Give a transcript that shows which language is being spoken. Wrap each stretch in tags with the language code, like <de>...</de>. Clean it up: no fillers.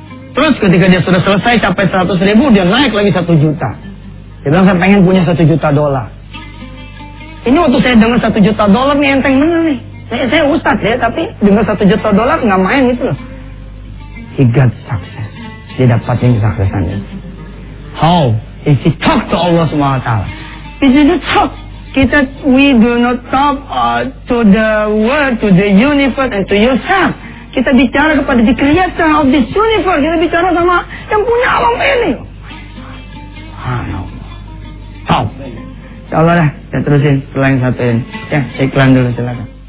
<id>Terus ketika dia sudah selesai capai 100 ribu, dia naik lagi 1 juta. Dia bilang, saya pengen punya $1 juta. Ini waktu saya dengar $1 juta nih, enteng bener nih. Saya ustadz ya, tapi dengar $1 juta nggak main gitu loh. He got success. Dia dapatin kesuksesannya.</id> <en>How? If he talk to Allah Subhanahu Wa Taala, he didn't talk. Kita, we do not talk to the world, to the universe, and to yourself.</en> <id>Kita bicara kepada the creator of this universe. Kita bicara sama yang punya alam ini. Allah. Tau. Insyaallah lah, kita terusin. Selain satu ini. Ya, saya iklan dulu, silakan.</id>